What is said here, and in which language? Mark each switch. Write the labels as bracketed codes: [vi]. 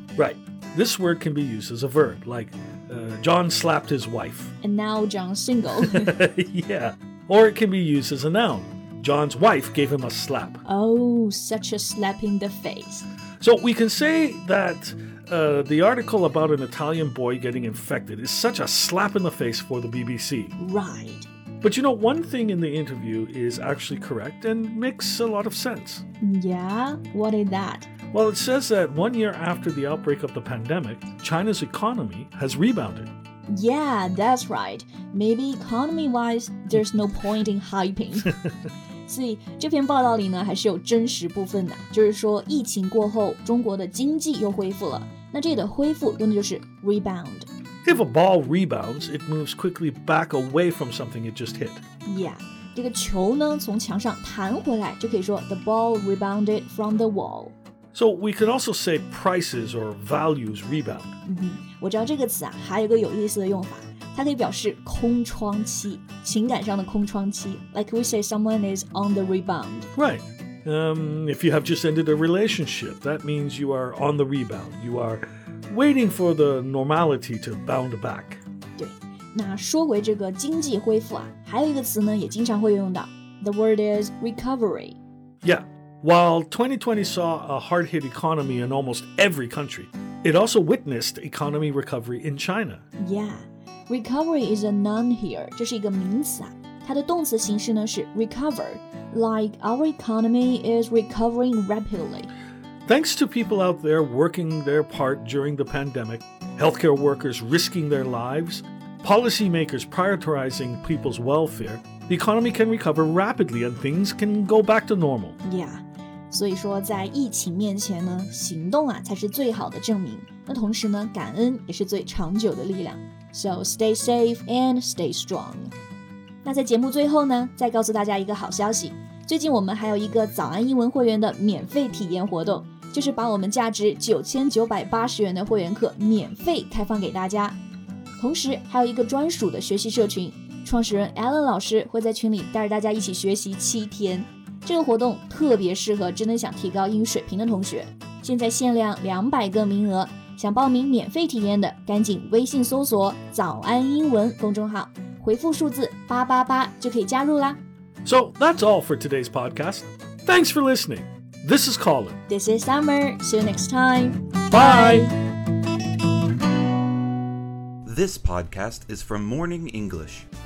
[en] Right, this word can be used as a verb, like,John slapped his wife. And now John's single. Yeah. Or it can be used as a noun. John's wife gave him a slap. Oh, such a slap in the face. So we can say that、the article about an Italian boy getting infected is such a slap in the face for the BBC. Right. But you know, one thing in the interview is actually correct and makes a lot of sense. Yeah? What is that? Well, it says that 1 year after the outbreak of the pandemic, China's economy has rebounded. Yeah, that's right. Maybe economy-wise, there's no point in hyping. [zh] 所以这篇报道里呢还是有真实部分的，就是说疫情过后，中国的经济又恢复了。那这里的恢复用的就是 rebound. [en] If a ball rebounds, it moves quickly back away from something it just hit. Yeah. [zh] 这个球呢从墙上弹回来就可以说 [en] The ball rebounded from the wall. So we can also say prices or values rebound.、 [zh] Mm-hmm. 我知道这个词啊还有一个有意思的用法，它可以表示空窗期，情感上的空窗期。 [en] Like we say someone is on the rebound. Right. If you have just ended a relationship, that means you are on the rebound. You are waiting for the normality to bound back. [zh] 那说回这个经济恢复啊，还有一个词呢也经常会用到， [en] The word is recovery. Yeah, while 2020 saw a hard hit economy in almost every country, it also witnessed economy recovery in China. Yeah, recovery is a noun here, [zh] 这是一个名词啊，它的动词形式呢是 [en] recover, like our economy is recovering rapidly. Thanks to people out there working their part during the pandemic, healthcare workers risking their lives,Policymakers prioritizing people's welfare, the economy can recover rapidly and things can go back to normal. [zh] Yeah, 所以说在疫情面前呢，行动啊才是最好的证明。那同时呢，感恩也是最长久的力量。 [en] So stay safe and stay strong. [zh] 那在节目最后呢，再告诉大家一个好消息，最近我们还有一个早安英文会员的免费体验活动，就是把我们价值9980元的会员课免费开放给大家，同时还有一个专属的学习社群，创始人 Alan 老师会在群里带着大家一起学习7天。这个活动特别适合真的想提高英语水平的同学，现在限量200个名额，想报名免费体验的赶紧微信搜索早安英文公众号，回复数字888就可以加入啦。 [en] So that's all for today's podcast. Thanks for listening. This is Colin. This is Summer. See you next time. Bye. This podcast is from Morning English.